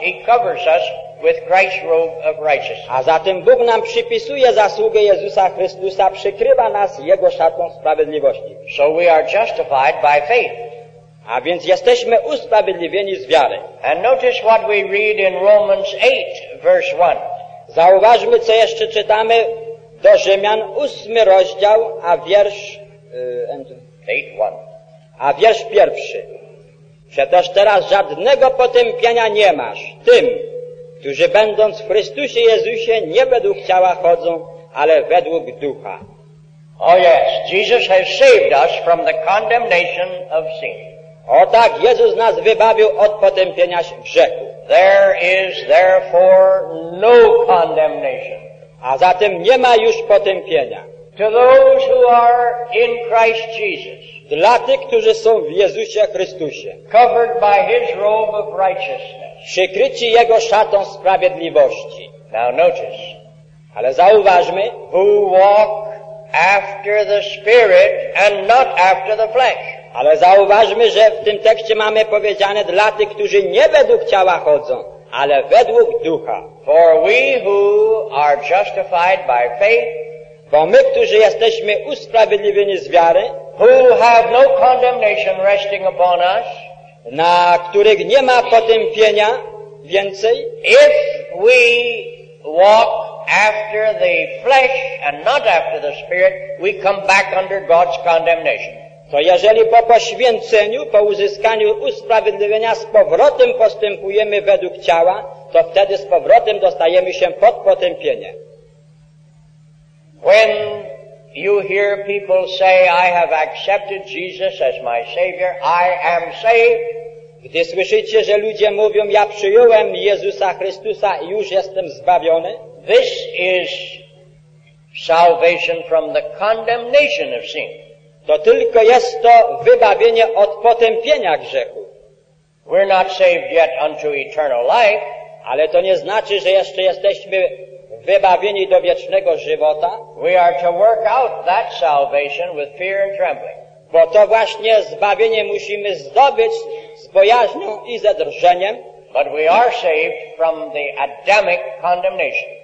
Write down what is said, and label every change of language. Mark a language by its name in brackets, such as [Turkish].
[English] He covers us with Christ's robe of righteousness. [Polish] A zatem Bóg nam przypisuje zasługę Jezusa Chrystusa, przykrywa nas Jego szatą sprawiedliwości. [English] So we are justified by faith. [Polish] A więc jesteśmy usprawiedliwieni z wiary. [English] And notice what we read in Romans 8, verse 1. [Polish] Zauważmy, co jeszcze czytamy do Rzymian, 8 rozdział, a wiersz... [English] 8:1. [Polish] A wiersz pierwszy. Przecież teraz żadnego potępienia nie masz tym, którzy będąc w Chrystusie Jezusie nie według ciała chodzą, ale według ducha. [English] Oh yes, Jesus has saved us from the condemnation of sin. [Polish] O tak, Jezus nas wybawił od potępienia grzechu. [English] There is therefore no condemnation. [Polish] A zatem nie ma już potępienia. [English] To those who are in Christ Jesus. [Polish] Dla tych, którzy są w Jezusie Chrystusie. [English] Covered by His robe of righteousness. [Polish] przykryci jego szatą sprawiedliwości. [English] Now notice. [Polish] Ale zauważmy, [English] who walk after the spirit and not after the flesh. [Polish] Ale zauważmy, że w tym tekście mamy powiedziane dla tych, którzy nie według ciała chodzą, ale według ducha. [English] For we who are justified by faith, [Polish] bo my, którzy jesteśmy usprawiedliwieni z wiary, [English] who have no condemnation resting upon us, [Polish] na których nie ma potępienia więcej, [English] if we walk after the flesh and not after the spirit, we come back under God's condemnation. [Polish] To jeżeli po poświęceniu, po uzyskaniu usprawiedliwienia z powrotem postępujemy według ciała, to wtedy z powrotem dostajemy się pod potępienie. [English] When you hear people say, I have accepted Jesus as my Savior, I am saved. [Polish] Gdy słyszycie, że ludzie mówią, ja przyjąłem Jezusa Chrystusa i już jestem zbawiony. [English] This is salvation from the condemnation of sin. [Polish] To tylko jest to wybawienie od potępienia grzechu. [English] We're not saved yet unto eternal life. [Polish] Ale to nie znaczy, że jeszcze jesteśmy wybawieni do wiecznego żywota. [English] We are to work out that salvation with fear and trembling. [Polish] Bo to właśnie zbawienie musimy zdobyć z bojaźnią i ze drżeniem. [English] But we are saved from the Adamic condemnation.